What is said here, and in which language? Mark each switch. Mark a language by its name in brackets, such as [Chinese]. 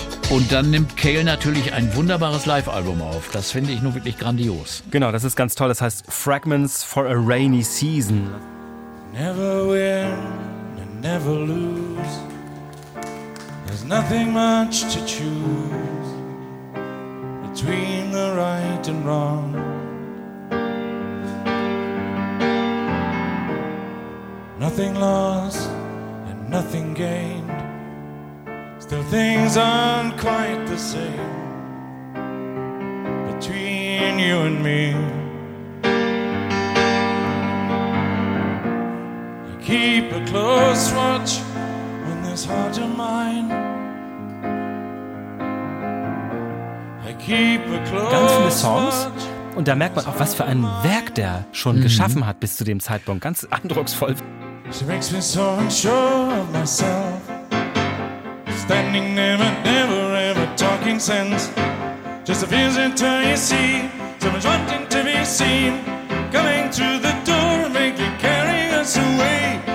[German] Und dann nimmt Cale natürlich ein wunderbares Live-Album auf. Das finde ich nur wirklich grandios. Genau, das ist ganz toll. Das heißt Fragments for a Rainy Season. [English] Never win and never lose. There's nothing much to choose between the right and wrong. Nothing lost and nothing gained. Still things aren't quite the same between you and me. You keep a close watch on this heart of mine. I keep a close watch. [German] Ganz viele Songs. Und da merkt man auch, was für ein Werk der schon geschaffen hat bis zu dem Zeitpunkt. Ganz eindrucksvoll. [English] She makes me so unsure of myself. Standing never, never, ever talking sense. Just a visitor, you see. Someone's wanting to be seen. Coming to the door, maybe carrying us away.